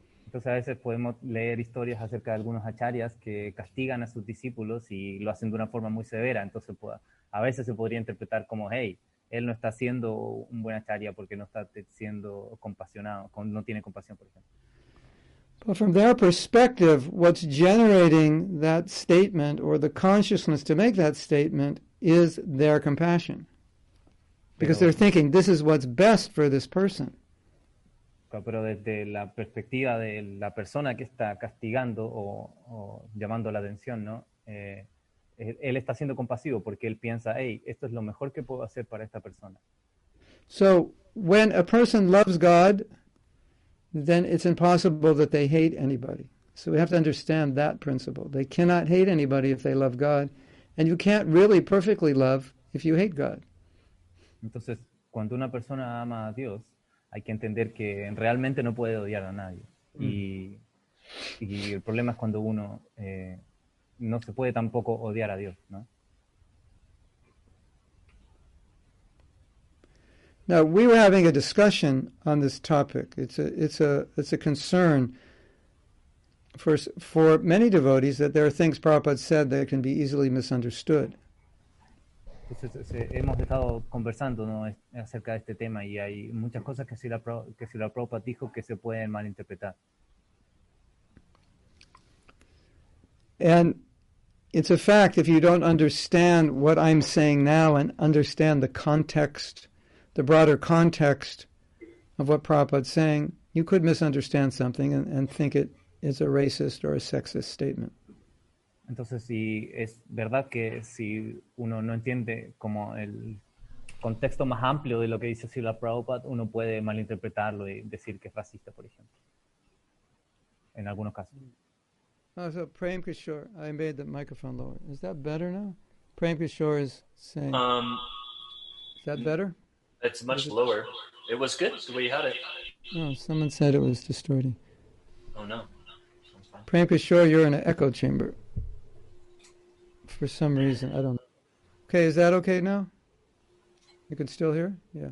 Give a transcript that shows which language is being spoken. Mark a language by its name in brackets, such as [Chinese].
[Spanish] Entonces a veces podemos leer historias acerca de algunos acharyas que castigan a sus discípulos y lo hacen de una forma muy severa. Entonces a veces se podría interpretar como, hey, él no está siendo un buen acharya porque no está siendo compasionado, no tiene compasión, por ejemplo. [English] But from their perspective, what's generating that statement or the consciousness to make that statement is their compassion. Because they're thinking, this is what's best for this person. [Spanish] Pero desde la perspectiva de la persona que está castigando o llamando la atención, ¿no? Él está siendo compasivo porque él piensa, hey, esto es lo mejor que puedo hacer para esta persona. [English] So, when a person loves God, then it's impossible that they hate anybody. So we have to understand that principle. They cannot hate anybody if they love God. And you can't really perfectly love if you hate God. [Spanish] Entonces, cuando una persona ama a Dios, hay que entender que realmente no puede odiar a nadie. Y el problema es cuando uno no se puede tampoco odiar a Dios, ¿no? [English] Now, we were having a discussion on this topic. It's a concern for many devotees that there are things Prabhupada said that can be easily misunderstood. [Spanish] Entonces, hemos estado conversando, ¿no?, acerca de este tema y hay muchas cosas que Srila Prabhupada dijo que se pueden malinterpretar. [English] And it's a fact, if you don't understand what I'm saying now and understand the context, the broader context of what Prabhupada's saying, you could misunderstand something and think it is a racist or a sexist statement. [Spanish] Entonces, si es verdad que si uno no entiende como el contexto más amplio de lo que dice Srila Prabhupada, uno puede malinterpretarlo y decir que es racista, por ejemplo, en algunos casos. [English] Oh, so Prem Kishore, I made the microphone lower. Is that better now? Prem Kishore is saying, is that better? It's much lower. It was good the way you had it. No, oh, someone said it was distorting. Oh, no. Prem Kishore, you're in an echo chamber. For some reason, I don't know. Okay, is that okay now? You can still hear? Yeah.